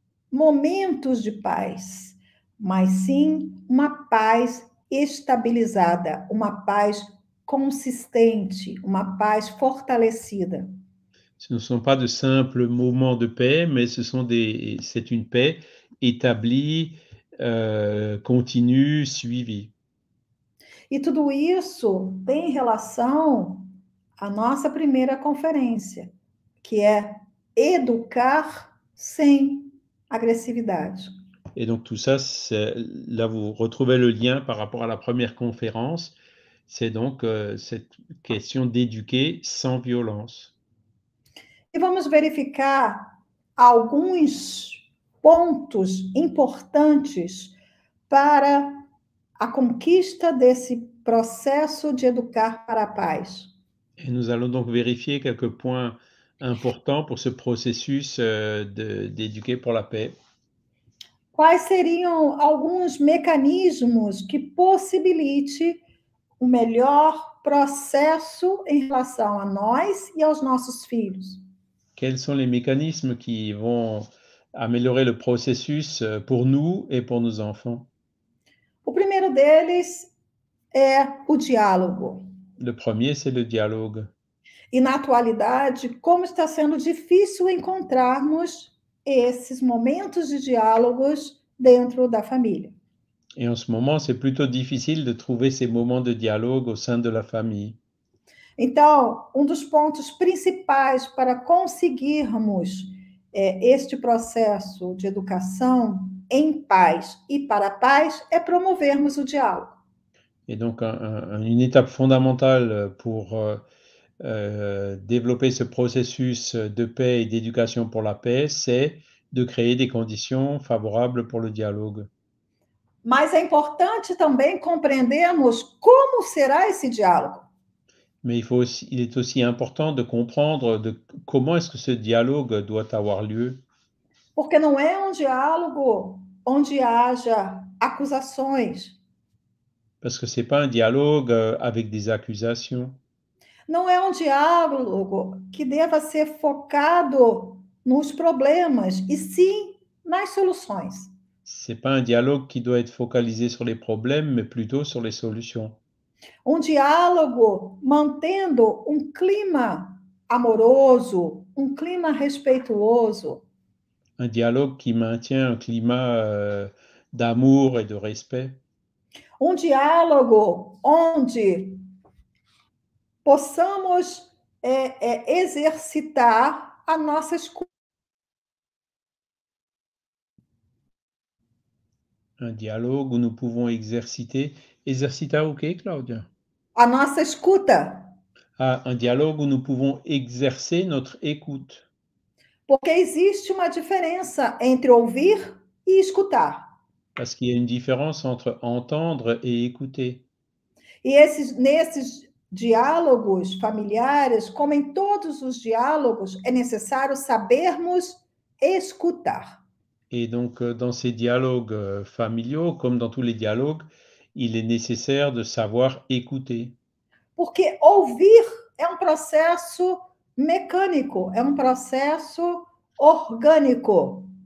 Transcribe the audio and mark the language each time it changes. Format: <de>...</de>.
<pt>momentos de paz, mas sim uma paz estabilizada, uma paz consistente, uma paz fortalecida.</pt> <fr>Ce ne sont pas de simples moments de paix, mais ce sont des, c'est une paix établie, continue, suivie.</fr> <pt>E tudo isso tem relação à nossa primeira conferência, que é educar sem agressividade.</pt> <fr>Et donc tout ça, là vous retrouvez le lien par rapport à la première conférence, c'est donc cette question d'éduquer sans violence.</fr> <pt>E vamos verificar alguns pontos importantes para a conquista desse processo de educar para a paz.</pt> <fr>Et nous allons donc vérifier quelques points importants pour ce processus d'éduquer pour la paix.</fr> <pt>Quais seriam alguns mecanismos que possibilitem o melhor processo em relação a nós e aos nossos filhos?</pt> <fr>Quels sont les mécanismes qui vont améliorer le processus pour nous et pour nos enfants?</fr> <pt>O primeiro deles é o diálogo.</pt> <fr>Le premier, c'est le dialogue.</fr> <pt>E na atualidade, como está sendo difícil encontrarmos esses momentos de diálogos dentro da família.</pt> <fr>Et en ce moment, c'est plutôt difficile de trouver ces moments de dialogue au sein de la famille.</fr> <pt>Então, um dos pontos principais para conseguirmos este processo de educação em paz e para a paz é promovermos o diálogo.</pt> <fr>Et donc, une étape fondamentale pour développer ce processus de paix et d'éducation pour la paix, c'est de créer des conditions favorables pour le dialogue.</fr> <pt>Mas é importante também compreendermos como será esse diálogo.</pt> <fr>Mais il est aussi important de comprendre comment est-ce que ce dialogue doit avoir lieu.</fr> <pt>Porque não é um diálogo onde haja acusações.</pt> <fr>Parce que ce n'est pas un dialogue avec des accusations.</fr> <pt>Não é um diálogo que deva ser focado nos problemas, e sim nas soluções.</pt> <fr>Ce n'est pas un dialogue qui doit être focalisé sur les problèmes, mais plutôt sur les solutions.</fr> <pt>Um diálogo mantendo um clima amoroso, um clima respeitoso.</pt> <fr>Un dialogue qui maintient un climat d'amour et de respect.</fr> <pt>Um diálogo onde possamos exercitar a nossa escuta.</pt> <fr>Un dialogue où nous pouvons exerciter.</fr> <pt>Exercita o quê, Claudia? A nossa escuta.</pt> <fr>Ah, un dialogue où nous pouvons exercer notre écoute.</fr> <pt>Porque existe uma diferença entre ouvir e escutar.</pt> <fr>Parce qu'il y a une différence entre entendre et écouter.</fr> <pt>E nesses diálogos familiares, como em todos os diálogos, é necessário sabermos escutar.</pt> <fr>Et donc, dans ces dialogues familiaux, comme dans tous les dialogues, il est nécessaire de savoir écouter.</fr> <pt>Porque ouvir é um processo mecânico, é um processo orgânico.</pt>